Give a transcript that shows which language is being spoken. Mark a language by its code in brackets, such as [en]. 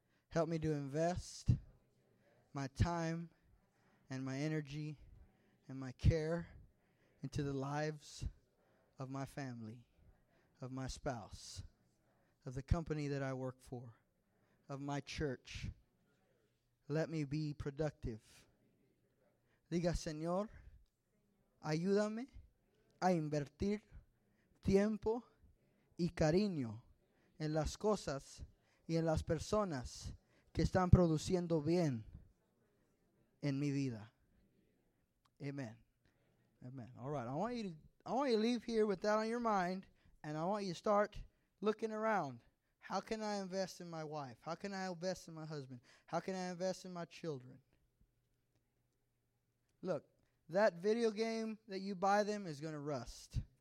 [en] Help me to invest my time and my energy and my care into the lives of my family, of my spouse, of the company that I work for, of my church. Let me be productive. [es] Diga, Señor, ayúdame a invertir tiempo y cariño en las cosas y en las personas que están produciendo bien en mi vida. [en] Amen. Amen. All right. I want you to leave here with that on your mind, and I want you to start looking around. How can I invest in my wife? How can I invest in my husband? How can I invest in my children? Look, that video game that you buy them is going to rust.